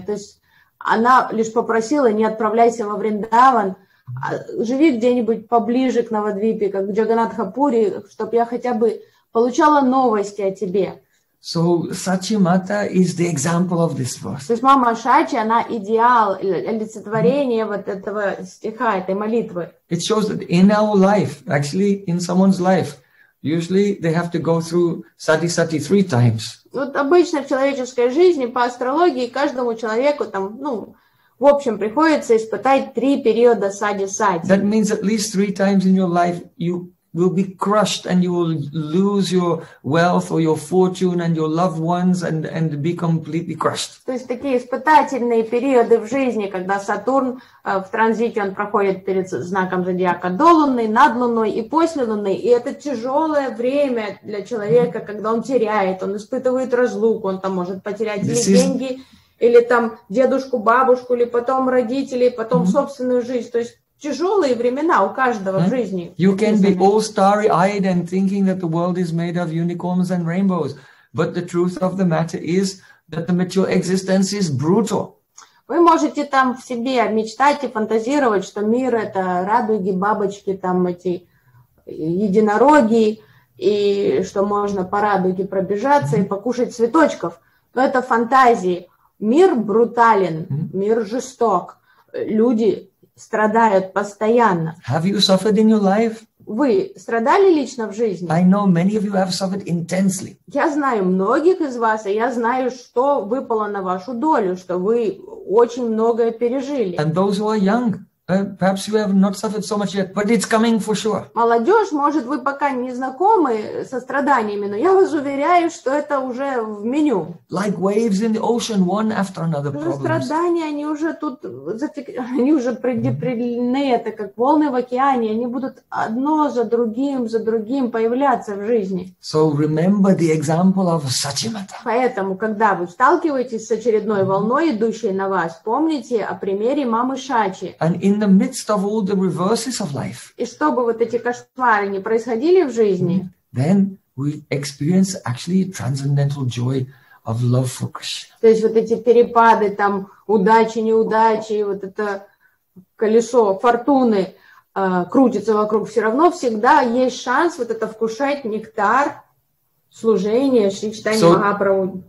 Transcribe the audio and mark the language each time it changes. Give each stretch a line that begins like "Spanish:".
Russian: То есть она лишь попросила, не отправляйся во Вриндаван, а живи где-нибудь поближе к Навадвипе, как в Джаганатхапури, чтобы я хотя бы получала новости о тебе.
English: So Sachimata is the example of this verse.
Russian: То есть мама Шачи, она идеал, олицетворение вот этого стиха, этой молитвы.
English: It shows that in our life, actually in someone's life, usually they have to go through sati-sati 3 times.
Russian: Вот обычно в человеческой жизни по астрологии каждому человеку там, ну, в общем, приходится испытать 3 периода сати-сати.
English: That means at least 3 times in your life you will be crushed and you will lose your wealth or your fortune and your loved ones and be completely crushed.
Russian: То есть такие испытательные периоды в жизни, когда Сатурн в транзите, он проходит перед знаком зодиака до Луны, над Луной и после Луны. И это тяжелое время для человека, когда он теряет, он испытывает разлуку, он там может потерять или деньги, или там дедушку, бабушку, или потом родителей, потом собственную жизнь. То есть тяжелые времена у каждого в жизни.
English: You can be all starry-eyed and thinking that the world is made of unicorns and rainbows, but the truth of the matter is that the material existence is brutal.
Russian: Вы можете там в себе мечтать и фантазировать, что мир — это радуги, бабочки, там эти единороги, и что можно по радуге пробежаться и покушать цветочков. Но это фантазии. Мир брутален, мир жесток. Люди страдают постоянно.
English: Have you suffered in your life?
Russian: Вы страдали лично в жизни?
English: I know many of you have suffered intensely.
Russian: Я знаю многих из вас, и я знаю, что выпало на вашу долю, что вы очень многое пережили.
English: And those who are young, perhaps you have not suffered so much yet, but it's coming for sure.
Russian: Молодежь, может, вы пока не знакомы со страданиями, но я вас уверяю, что это уже в меню.
English: Like waves in the ocean, one after another problems.
Russian: Страдания, они уже тут, они уже предопределены, это как волны в океане, они будут одно за другим появляться в жизни.
English: So remember the example of Sachimata.
Russian: Поэтому, когда вы сталкиваетесь с очередной волной, идущей на вас, помните о примере мамы Шачи.
English: In the midst of all the reverses of life,
Russian: и чтобы вот эти кошмары не происходили в жизни,
English: then we experience actually transcendental joy of love for Krishna.
Russian: То есть вот эти перепады там удачи, неудачи, вот это колесо фортуны крутится вокруг, все равно всегда есть шанс вот это вкушать нектар служения Шри Чайтанья Махапрабху.